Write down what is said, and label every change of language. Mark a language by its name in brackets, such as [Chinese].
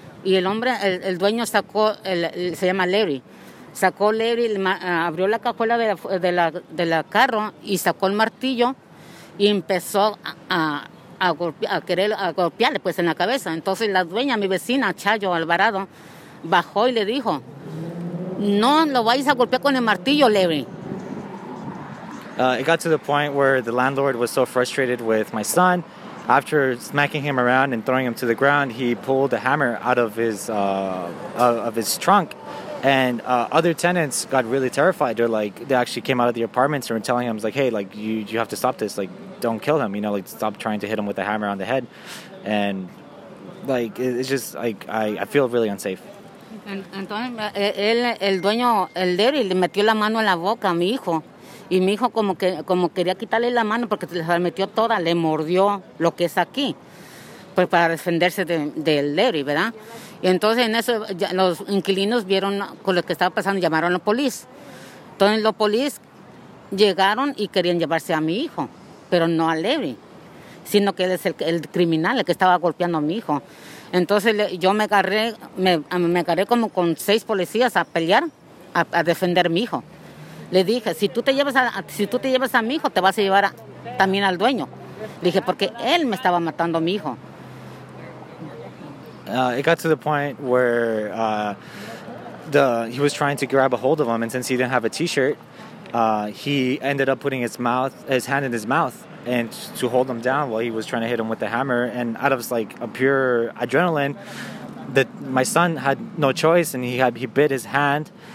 [Spanish] Y el hombre, el dueño sacó, se llama Larry. Sacó Larry, abrió la cajuela de la carro y sacó el martillo. Y empezó a golpearle pues en la cabeza. Entonces la dueña, mi vecina, Chayo Alvarado, bajó y le dijo, no lo vayas a golpear con el martillo, Larry. [English] It got to the point where the landlord was so frustrated with my son. After smacking him around and throwing him to the ground, he pulled a hammer out of his trunk. And other tenants got really terrified. They're like, they actually came out of the apartments and were telling him, like, hey, like, you have to stop this. Like, don't kill him. You know, like, stop trying to hit him with a hammer on the head. And, like, it's just, like, I feel really unsafe. [Spanish] Entonces, el dueño, el Larry, le metió la mano en la boca a mi hijo. Y mi hijo como quería quitarle la mano porque se la metió toda, le mordió lo que es aquí, pues para defenderse del Larry, ¿verdad? Y entonces en eso ya, los inquilinos vieron con lo que estaba pasando, llamaron a la policía. Entonces los policías llegaron y querían llevarse a mi hijo, pero no a Larry, sino que él es el criminal, el que estaba golpeando a mi hijo. Entonces yo me agarré como con 6 policías a pelear, a defender a mi hijo. Le dije, si tú te llevas a mi hijo, te vas a llevar también al dueño. Le dije, porque él me estaba matando a mi hijo. [English] It got to the point where he was trying to grab a hold of him, and since he didn't have a t-shirt, he ended up putting his hand in his mouth and to hold him down while he was trying to hit him with the hammer. And out of like a pure adrenaline, that my son had no choice, and he bit his hand.